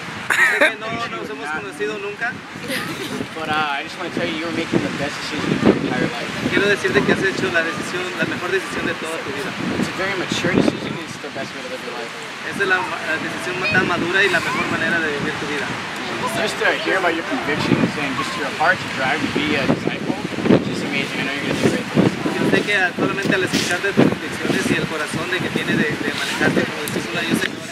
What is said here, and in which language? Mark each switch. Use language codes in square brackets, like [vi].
[en] But I just want to tell you, you're making the best decision of your entire life. [es] Quiero decirte que has hecho la decisión, la mejor decisión de toda tu vida. [en] It's a very mature decision. It's the best way to live your life. [es] Es la decisión más madura y la mejor manera de vivir tu vida. [en] Just to hear about your convictions and just your heart to drive to be a disciple. Amazing. I know you're going to do great things. [es] Solamente al escuchar de tus convicciones y el corazón de que tiene de manejarte como discípula, yo sé que vas a